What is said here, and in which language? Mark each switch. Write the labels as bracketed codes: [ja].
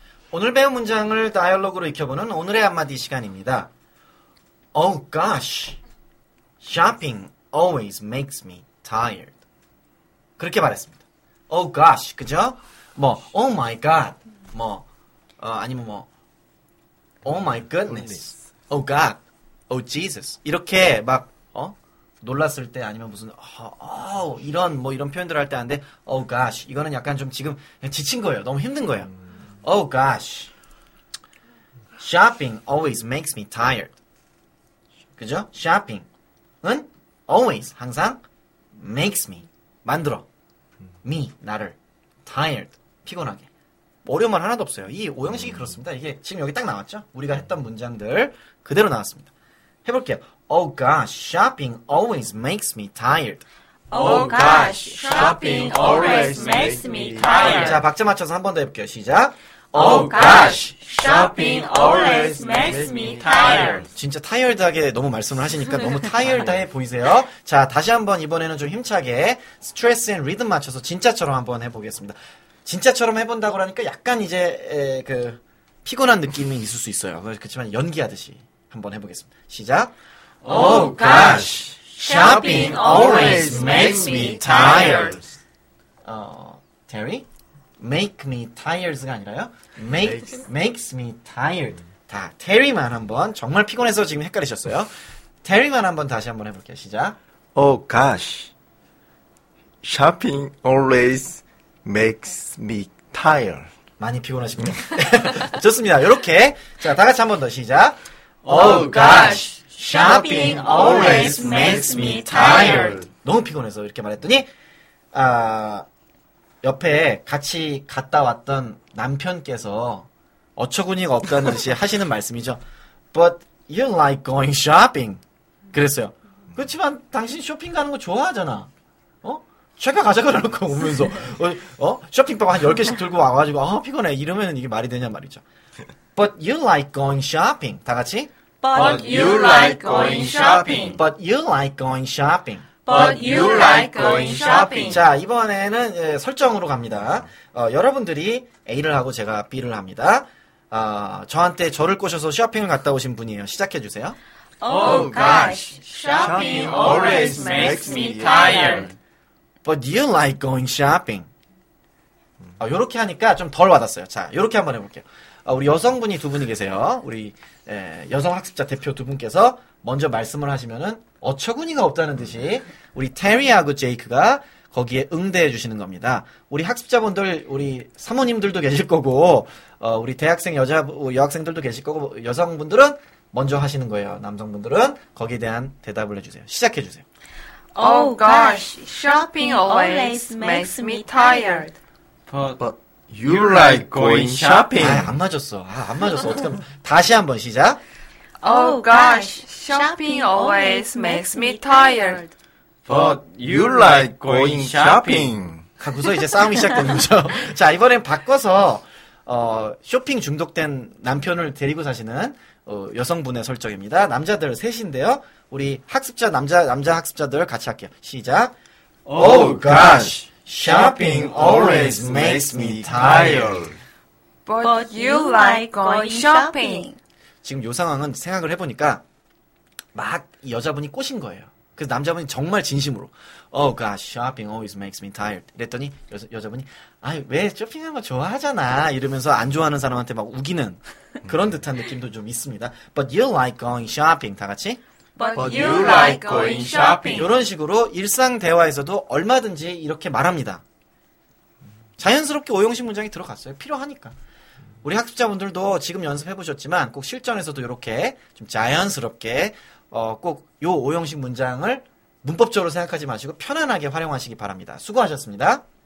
[ko] 오늘 배운 문장을 다이얼로그로 익혀보는 오늘의 한마디 시간입니다. [en] Oh gosh, shopping always makes me tired. [ko] 그렇게 말했습니다. [en] Oh gosh, [ko] 그죠? [en] 뭐, oh my god, 뭐, 아니면 뭐, oh my goodness, oh god, oh Jesus. [ko] 이렇게 막, 놀랐을 때 아니면 무슨 이런 뭐 이런 표현들을 할 때 하는데 [en] oh gosh, [ko] 이거는 약간 좀 지금 지친 거예요. 너무 힘든 거예요. [en] Oh gosh, shopping always makes me tired. [ko] 그죠? [en] Shopping은 always 항상 makes me [ko] 만들어 [en] me 나를 tired [ko] 피곤하게. 어려운 말 하나도 없어요. 이 오형식이 그렇습니다. 이게 지금 여기 딱 나왔죠? 우리가 했던 문장들 그대로 나왔습니다. 해볼게요. [en] Oh gosh, shopping always makes me tired. Oh gosh, shopping always makes me tired. [ko] 자, 박자 맞춰서 한 번 더 해볼게요. 시작. [en] Oh gosh, shopping always makes me tired. [ko] 진짜 tired하게 너무 말씀을 하시니까 너무 tired해 보이세요. 자, 다시 한번 이번에는 좀 힘차게 [en] stress and rhythm [ko] 맞춰서 진짜처럼 한번 해보겠습니다. 진짜처럼 해본다고 하니까 약간 이제 그 피곤한 느낌이 있을 수 있어요. 그렇지만 연기하듯이 한번 해보겠습니다. 시작. [en] Oh gosh, shopping always makes me tired. Terry? Make me tired [ko] 가 아니라요? [en] Makes me tired. [ko] 다 Terry만 한번 정말 피곤해서 지금 헷갈리셨어요. Terry만 한번 다시 한번 해볼게요. 시작. [en] Oh gosh, shopping always makes me tired. [ko] 많이 피곤하십니다. 좋습니다. 이렇게 자 다 같이 한번 더 시작. [en] Oh gosh, shopping always makes me tired. [ko] 너무 피곤해서 이렇게 말했더니 옆에 같이 갔다 왔던 남편께서 어처구니가 없다는 듯이 하시는 말씀이죠. [en] But you like going shopping. [ko] 그랬어요. 그렇지만 당신 쇼핑 가는 거 좋아하잖아. 어? 제가 가자 그러고 오면서 쇼핑백 한 10개씩 들고 와가지고 피곤해 이러면 이게 말이 되냐 말이죠. [en] But you like going shopping. [ko] 다 같이. [en] But you like going shopping. But you like going shopping. But you like going shopping. [ko] 자, 이번에는 예, 설정으로 갑니다. 여러분들이 A를 하고 제가 B를 합니다. 저한테 저를 꼬셔서 쇼핑을 갔다 오신 분이에요. 시작해 주세요. [en] Oh gosh, shopping always makes me tired. But you like going shopping. [ko] 이렇게 하니까 좀 덜 와닿았어요. 자, 이렇게 한번 해볼게요. 우리 여성분이 두 분이 계세요. 우리 여성 학습자 대표 두 분께서 먼저 말씀을 하시면은 어처구니가 없다는 듯이 우리 테리하고 제이크가 거기에 응대해 주시는 겁니다. 우리 학습자분들, 우리 사모님들도 계실 거고 우리 대학생 여자 여학생들도 계실 거고 여성분들은 먼저 하시는 거예요. 남성분들은 거기에 대한 대답을 해주세요. 시작해 주세요. [en] Oh gosh, shopping always makes me tired. But you like going shopping. [ko] 아, 안 맞았어. 아, 안 맞았어. 어떻게 다시 한번 시작. [en] Oh gosh, shopping always makes me tired. But you like going shopping. [ko] 가고서 이제 싸움이 시작된 거죠. 자, 이번엔 바꿔서 쇼핑 중독된 남편을 데리고 사시는 여성분의 설정입니다. 남자들 셋인데요. 우리 학습자 남자 학습자들 같이 할게요. 시작. [en] Oh gosh, shopping always makes me tired. But you like going shopping. [ko] 지금 요 상황은 생각을 해보니까 막 여자분이 꼬신 거예요. 그래서 남자분이 정말 진심으로 [en] Oh gosh, shopping always makes me tired. [ko] 이랬더니 여자분이 아이 왜 쇼핑하는 거 좋아하잖아 이러면서 안 좋아하는 사람한테 막 우기는 그런 듯한 느낌도 좀 있습니다. [en] But you like going shopping. [ko] 다 같이 [en] But you like going shopping. [ko] 이런 식으로 일상 대화에서도 얼마든지 이렇게 말합니다. 자연스럽게 오형식 문장이 들어갔어요. 필요하니까. 우리 학습자분들도 지금 연습해보셨지만 꼭 실전에서도 이렇게 좀 자연스럽게 꼭 요 오형식 문장을 문법적으로 생각하지 마시고 편안하게 활용하시기 바랍니다. 수고하셨습니다.